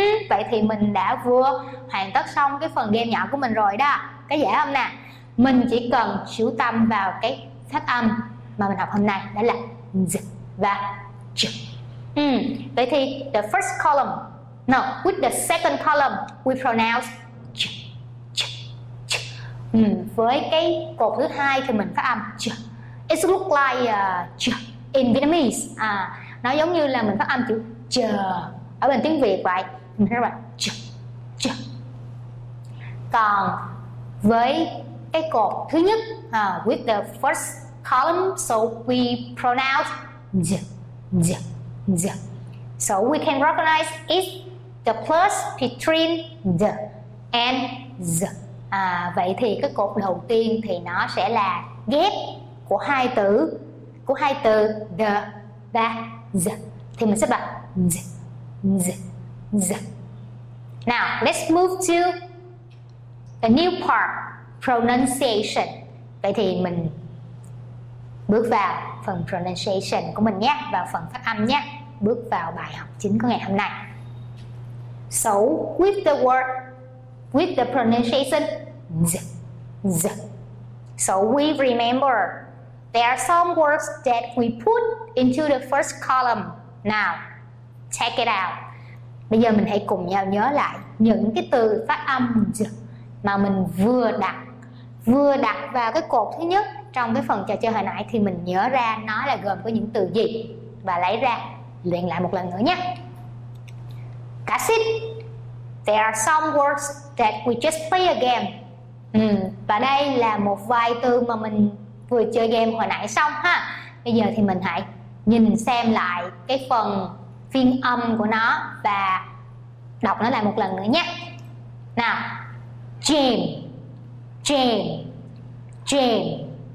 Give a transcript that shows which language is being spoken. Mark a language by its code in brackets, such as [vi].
[vi] Vậy thì mình đã vừa hoàn tất xong cái phần game nhỏ của mình rồi đó. Có dễ không nè? Mình chỉ cần chú tâm vào cái phát âm mà mình học hôm nay, đó là z và ch. Vậy thì [en] the first column. Now with the second column, we pronounce ch, ch, ch. [vi] Với cái cột thứ hai thì mình phát âm ch. [en] It look like ch in Vietnamese. [vi] Nó giống như là mình phát âm chữ ch ở bên tiếng Việt vậy. Mình phát âm ch, ch. Còn với cái cột thứ nhất, [en] with the first column, so we pronounce z, z, [vi] z. [en] So we can recognize it's the plus between z and z. [vi] Vậy thì cái cột đầu tiên thì nó sẽ là ghép của hai từ, của hai từ the và z. Thì mình sẽ bật z, z, z. [en] Now let's move to a new part, pronunciation. [vi] Vậy thì mình bước vào phần pronunciation của mình nhé, vào phần phát âm nhé, bước vào bài học chính của ngày hôm nay. [en] So with the word, with the pronunciation z, z. So we remember there are some words that we put into the first column. Now check it out. [vi] Bây giờ mình hãy cùng nhau nhớ lại những cái từ phát âm z mà mình vừa đặt, vừa đặt vào cái cột thứ nhất trong cái phần trò chơi hồi nãy, thì mình nhớ ra nó là gồm có những từ gì và lấy ra luyện lại một lần nữa nhé. [en] That's it. There are some words that we just play a game. [vi] Và đây là một vài từ mà mình vừa chơi game hồi nãy xong ha. Bây giờ thì mình hãy nhìn xem lại cái phần phiên âm của nó và đọc nó lại một lần nữa nhé. Nào, James, James, James.